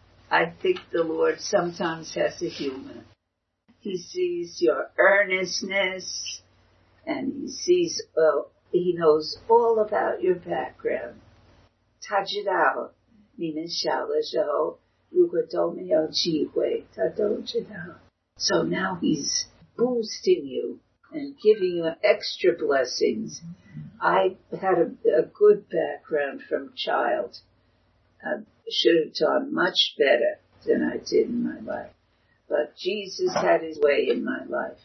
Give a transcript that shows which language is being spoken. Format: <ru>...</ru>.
<en>I think the Lord sometimes has a humor. He sees your earnestness, and he sees, he knows all about your background. Touch it out.</en> <zh>你们小的时候如果都没有机会他都知道。</zh> <en>So now he's boosting you and giving you extra blessings. I had a good background from child. I should have done much better than I did in my life. But Jesus had his way in my life.</en>